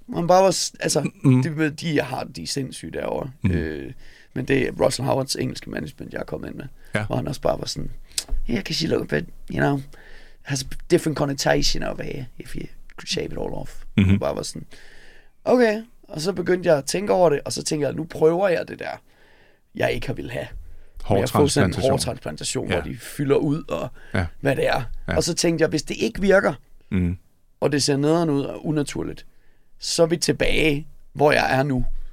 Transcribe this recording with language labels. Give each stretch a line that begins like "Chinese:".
Danish: Man bare var, altså, de jeg har, de er sindssyge derovre. Mm. Men det er Russell Howards engelske management, jeg er kommet ind med. Ja. Hvor han også bare var sådan,
English: yeah, because you look a bit, you know, has a different connotation of hair, if you could shave it all off. Mm-hmm.
Danish: Bare var sådan, okay. Og så begyndte jeg at tænke over det, og så tænkte jeg, nu prøver jeg det der, jeg ikke har ville have. hårtransplantation, hvor de fylder ud og hvad det er. Ja. Og så tænkte jeg, hvis det ikke virker, og det ser nederen ud og unaturligt, så er vi tilbage, hvor jeg er nu.